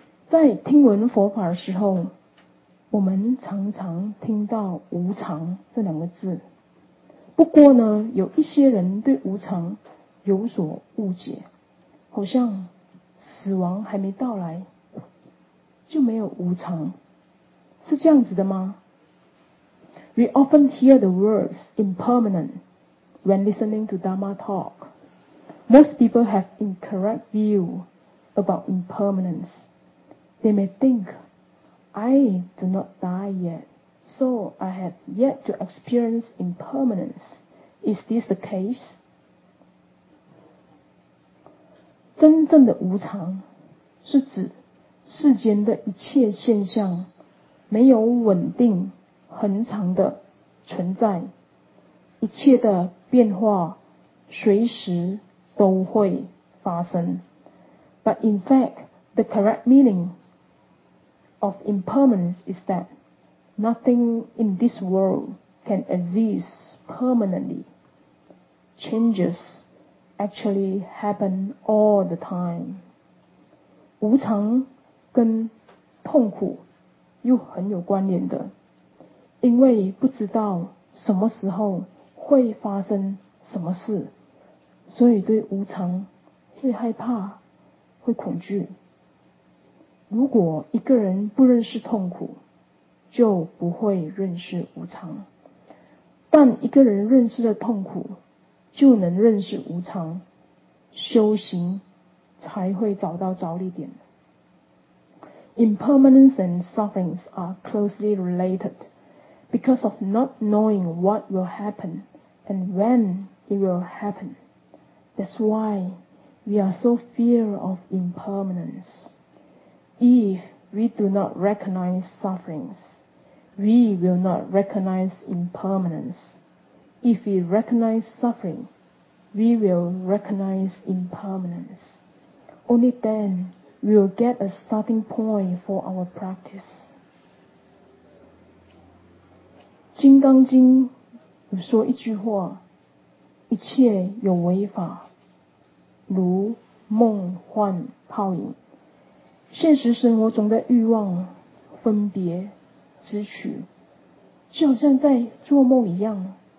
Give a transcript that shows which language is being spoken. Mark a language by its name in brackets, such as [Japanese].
[Chinese] 在听闻佛法的时候，我们常常听到无常这两个字。不过呢，有一些人对无常有所误解，好像死亡还没到来就没有无常，是这样子的吗？ [English] We often hear the words impermanent when listening to Dharma talk. Most people have incorrect view about impermanence. They may think, I do not die yet, so I have yet to experience impermanence. Is this the case? [Chinese] 真正的无常是指世间的一切现象没有稳定恒常的存在，一切的变化随时都会发生。 [English] But in fact, the correct meaning of impermanence is that nothing in this world can exist permanently. ChangesActually happen all the time. [Chinese] 无常跟痛苦又很有关联的，因为不知道什么时候会发生什么事，所以对无常会害怕，会恐惧。如果一个人不认识痛苦，就不会认识无常。但一个人认识了痛苦，就能认识无常，修行才会找到着力点。 [English] Impermanence and sufferings are closely related because of not knowing what will happen and when it will happen. That's why we are so fear of impermanence. If we do not recognize sufferings, we will not recognize impermanence. If we recognize suffering, we will recognize impermanence. Only then we will get a starting point for our practice. [Chinese] 金刚经有说一句话，一切有为法，如梦幻泡影。现实生活中的欲望、分别、执取，就好像在做梦一样，